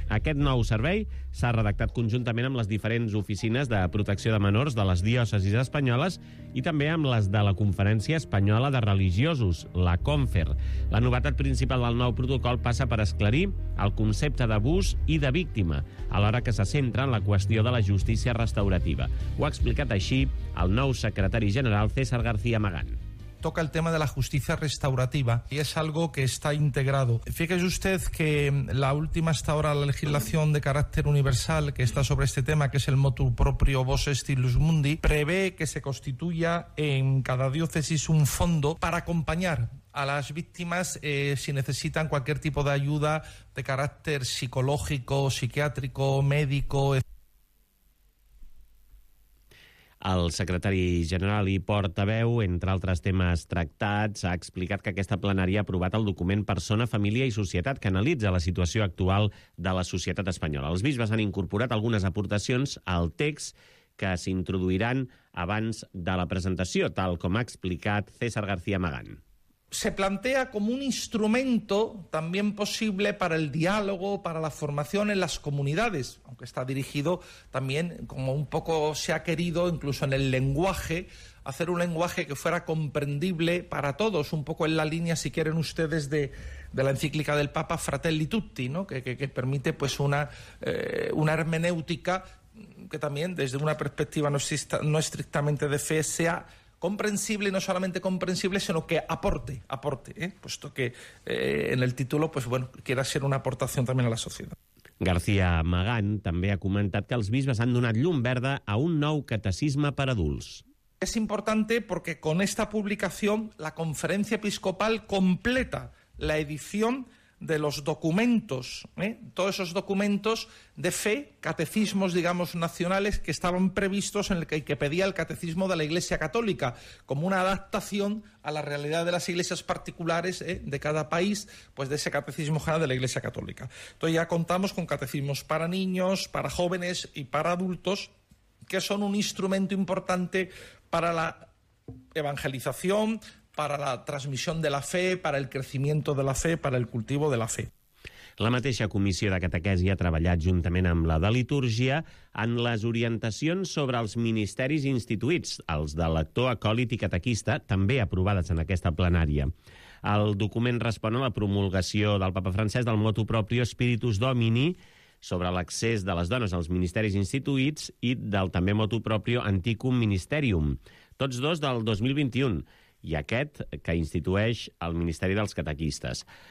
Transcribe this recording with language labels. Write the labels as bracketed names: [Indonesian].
[Catalan] Aquest nou servei s'ha redactat conjuntament amb les diferents oficines de protecció de menors de les diòcesis espanyoles i també amb les de la Conferència Espanyola de Religiosos, la CONFER. La novetat principal del nou protocol passa per esclarir el concepte d'abús i de víctima, alhora que se centra en la qüestió de la justícia restaurativa. Ho ha explicat així el nou secretari general, César García Magán. [Spanish] Toca el tema de la justicia restaurativa y es algo que está integrado. Fíjese usted que la última hasta ahora la legislación de carácter universal que está sobre este tema, que es el motu proprio vos estilus mundi, prevé que se constituya en cada diócesis un fondo para acompañar a las víctimas si necesitan cualquier tipo de ayuda de carácter psicológico, psiquiátrico, médico, etc. [Catalan] El secretari general i portaveu, entre altres temes tractats, ha explicat que aquesta plenària ha aprovat el document Persona, Família i Societat, que analitza la situació actual de la societat espanyola. Els bisbes han incorporat algunes aportacions al text que s'introduiran abans de la presentació, tal com ha explicat César García Magán. [Spanish] Se plantea como un instrumento también posible para el diálogo, para la formación en las comunidades, aunque está dirigido también, como un poco se ha querido, incluso en el lenguaje, hacer un lenguaje que fuera comprendible para todos, un poco en la línea, si quieren ustedes, de la encíclica del Papa Fratelli Tutti, ¿no? que permite pues una hermenéutica que también, desde una perspectiva no estrictamente de fe, sea comprensible, y no solamente comprensible, sino que aporte, ¿eh? Puesto que en el título, pues bueno, quiera ser una aportación también a la sociedad. [Catalan] García Magán també ha comentat que els bisbes han donat llum verda a un nou catecisme per adults. [Spanish] Es importante porque con esta publicación la Conferencia Episcopal completa la edición de los documentos, ¿eh? Todos esos documentos de fe, catecismos, digamos, nacionales, que estaban previstos en el que pedía el catecismo de la Iglesia Católica, como una adaptación a la realidad de las iglesias particulares, ¿eh? De cada país, pues de ese catecismo general de la Iglesia Católica. Entonces ya contamos con catecismos para niños, para jóvenes y para adultos, que son un instrumento importante para la evangelización, para la transmisión de la fe, para el crecimiento de la fe, para el cultivo de la fe. [Catalan] La mateixa comissió de catequesi ha treballat juntament amb la de litúrgia en les orientacions sobre els ministeris instituïts, els de lector, acòlit i catequista, també aprovades en aquesta plenària. El document respon a la promulgació del Papa Francesc del motu proprio Spiritus Domini sobre l'accés de les dones als ministeris instituïts i del també motu proprio Anticum Ministerium, tots dos del 2021, i aquest que institueix el Ministeri dels Catequistes.